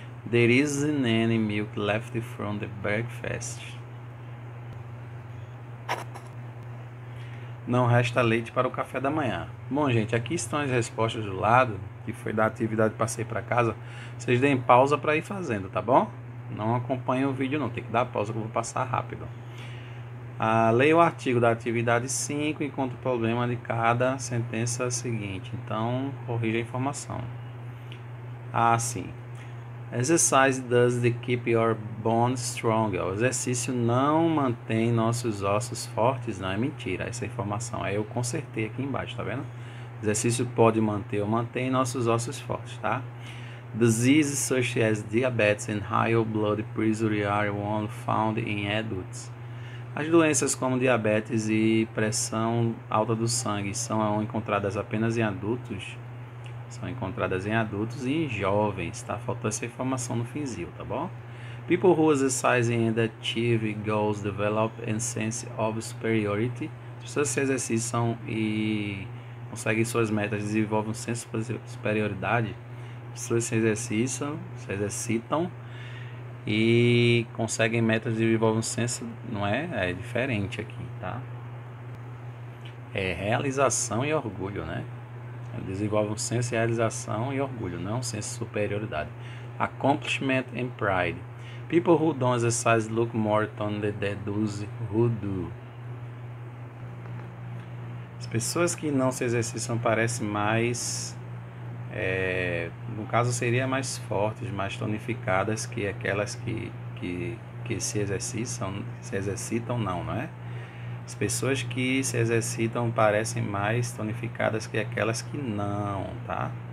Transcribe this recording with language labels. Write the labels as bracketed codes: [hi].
[en] There isn't any milk left from the breakfast. [pt] Não resta leite para o café da manhã. Bom, gente, aqui estão as respostas do lado, que foi da atividade que passei para casa. Vocês deem pausa para ir fazendo, tá bom? Não acompanhem o vídeo, não. Tem que dar pausa que eu vou passar rápido. Leia o artigo da atividade 5 e encontre o problema de cada sentença seguinte. Então, corrija a informação. Ah, sim. [en] Exercise does to keep your bones stronger. [pt] O exercício não mantém nossos ossos fortes. Não, é mentira essa informação. Aí eu consertei aqui embaixo, tá vendo? Exercício pode manter ou mantém nossos ossos fortes, tá? [en] Diseases such as diabetes and high blood pressure are only found in adults. [pt] As doenças como diabetes e pressão alta do sangue são encontradas apenas em adultos. São encontradas em adultos e em jovens, tá? Faltou essa informação no finzinho, tá bom? [en] People who exercise and achieve goals develop a sense of superiority. [pt] Pessoas que se exercitam e conseguem suas metas desenvolvem um senso de superioridade. Pessoas que se exercitam e conseguem metas desenvolvem um senso, não é? É diferente aqui, tá? É realização e orgulho, né? Desenvolve um senso de realização e orgulho, não um senso de superioridade. [en] Accomplishment and pride. People who don't exercise look more toned than those who do. [pt] As pessoas que não se exercitam parecem mais, no caso seria mais fortes, mais tonificadas que aquelas que se exercitam, não é? As pessoas que se exercitam parecem mais tonificadas que aquelas que não, tá?